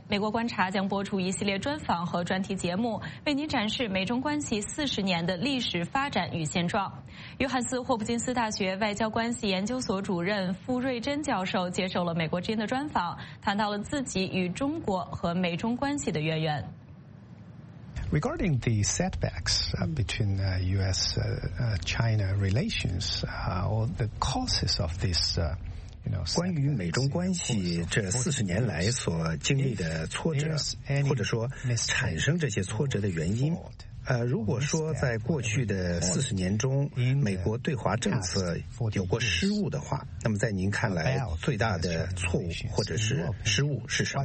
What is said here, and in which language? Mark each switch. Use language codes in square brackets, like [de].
[zh] 美国观察将播出一系列专访和专题节目，为您展示美中关系40年的历史发展与现状。约翰斯霍普金斯大学外交关系研究所主任傅瑞珍教授接受了美国之音的专访，谈到了自己与中国和美中关系的渊源。 [en] Regarding the setbacks between U.S.-China relations, or the causes of this, you know, [zh] 关于美中关系这40年来所经历的挫折，或者说产生这些挫折的原因，如果说在过去的40年中，美国对华政策有过失误的话，那么在您看来最大的错误或者是失误是什么